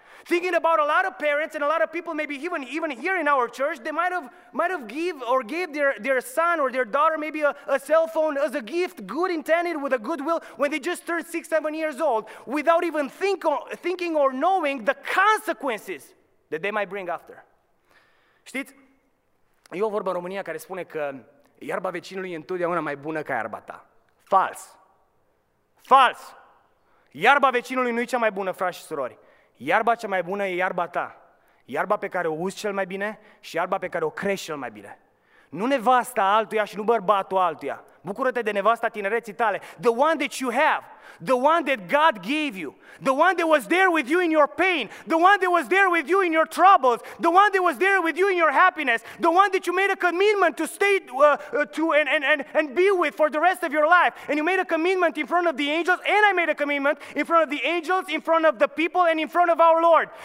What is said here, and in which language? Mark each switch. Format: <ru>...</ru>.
<en>Thinking about a lot of parents and a lot of people, maybe even here in our church, they might have gave their son or their daughter maybe a cell phone as a gift, good intended, with a goodwill, when they just turned 6, 7 years old, without even thinking or knowing the consequences that they might bring after.</en> <ro>Știți, e o vorbă în România care spune că iarba vecinului e întotdeauna mai bună ca iarba ta. Fals. Fals. Iarba vecinului nu e cea mai bună, frați și surori. Iarba cea mai bună e iarba ta. iarba pe care o uzi cel mai bine și iarba pe care o crești cel mai bine. Nu nevasta altuia și nu bărbatul altuia. Bucură-te de nevasta tinereții tale.</ro> <en>The one that you have. The one that God gave you. The one that was there with you in your pain. The one that was there with you in your troubles. The one that was there with you in your happiness. The one that you made a commitment to stay to and be with for the rest of your life. And you made a commitment in front of the angels, and I made a commitment in front of the angels, in front of the people, and in front of our Lord.</en>